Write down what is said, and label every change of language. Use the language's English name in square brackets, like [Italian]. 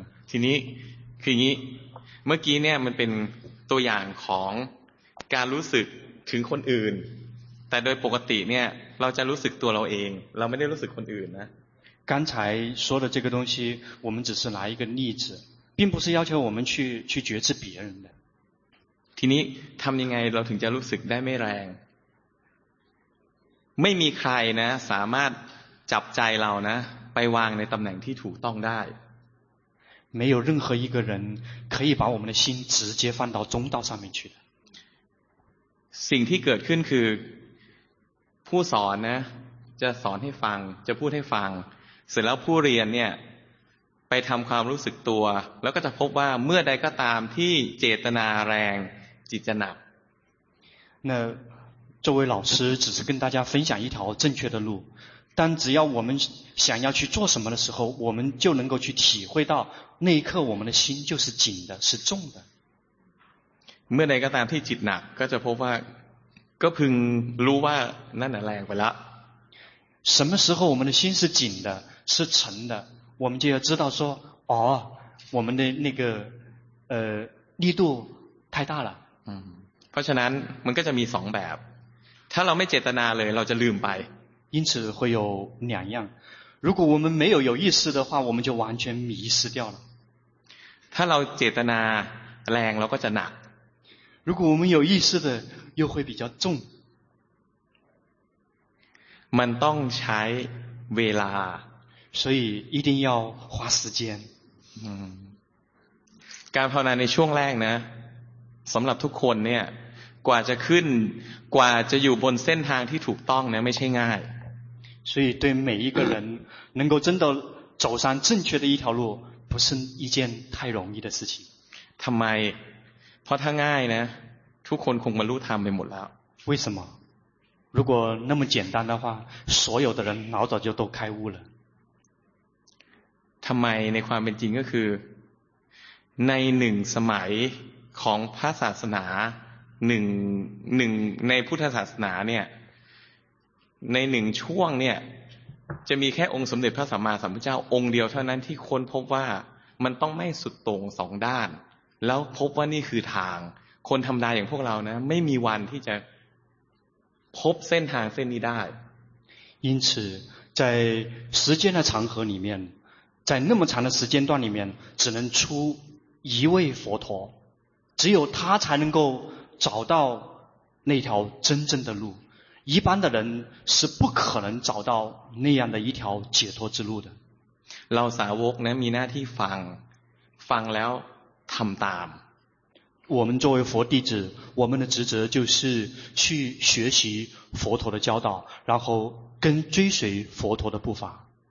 [Thai] ทีนี้คืออย่างนี้เมื่อกี้เนี่ยมันเป็นตัวอย่างของการรู้สึกถึงคนอื่นแต่โดยปกติเนี่ยเราจะรู้สึกตัวเราเองเราไม่ได้รู้สึกคนอื่นนะ [Chinese] 刚才说的这个东西我们只是拿一个例子并不是要求我们去觉知别人的 [Thai] ทีนี้ทำยังไงเราถึงจะรู้สึกได้ไม่แรงไม่มีใครนะสามารถจับใจเรานะไปวางในตำแหน่งที่ถูกต้องได้ [Chinese] 没有任何一个人可以把我们的心直接放到中道上面去的 [Thai] สิ่งที่เกิดขึ้นคือผู้สอนนะจะสอนให้ฟังจะพูดให้ฟังเสร็จแล้วผู้เรียนเนี่ยไปทำความรู้สึกตัวแล้วก็จะพบว่าเมื่อใดก็ตามที่เจตนาแรงจิตจะหนัก [Chinese] 那这位老师只是跟大家分享一条正确的路但只要我们想要去做什么的时候我们就能够去体会到那一刻我们的心就是紧的是重的 [Thai] เมื่อใดก็ตามที่จิตหนักก็จะพบว่าก็พึงรู้ว่านั่นแหละแรงไปละ [Chinese] 什么时候我们的心是紧的是沉的我们就要知道说哦我们的那个力度太大了 [Thai] เพราะฉะนั้นมันก็จะมีสองแบบถ้าเราไม่เจตนาเลยเราจะลืมไป [Chinese] 因此会有两样如果我们没有意识的话我们就完全迷失掉了 [Thai] ถ้าเราเจตนาแรงเราก็จะหนัก [Chinese] 如果我们有意识的又会比较重 [Thai] มันต้องใช้เวลา [Chinese] 所以一定要花时间 [Thai] การภาวนาในช่วงแรกนะสำหรับทุกคนเนี่ยกว่าจะขึ้นกว่าจะอยู่บนเส้นทางที่ถูกต้องเนี่ยไม่ใช่ง่าย [Chinese] 所以对每一个人能够真的走上正确的一条路不是一件太容易的事情 [Thai] ทำไมเพราะถ้าง่ายนะทุกคนคงบรรลุธรรมไปหมดแล้ว [Chinese] 为什么如果那么简单的话所有的人老早就都开悟了 [Thai] ทำไมในความเป็นจริงก็คือในหนึ่งสมัยของพระศาสนาหนึ่งในพุทธศาสนาเนี่ยในหนึ่งช่วงเนี่ยจะมีแค่องค์สมเด็จพระสัมมาสัมพุทธเจ้าองค์เดียวเท่านั้นที่ค้นพบว่ามันต้องไม่สุดโต่งสองด้านแล้วพบว่านี่คือทางคนธรรมดาอย่างพวกเรานะไม่มีวันที่จะพบเส้นทางเส้นนี้ได้ [Chinese] 因此在时间的长河里面在那么长的时间段里面只能出一位佛陀只有他才能够找到那条真正的路一般的人是不可能找到那样的一条解脱之路的 [Thai] เราสาวกนะมีหน้าที่ฟังแล้วทำตาม [Chinese] 我们作为佛弟子我们的职责就是去学习佛陀的教导然后跟追随佛陀的步伐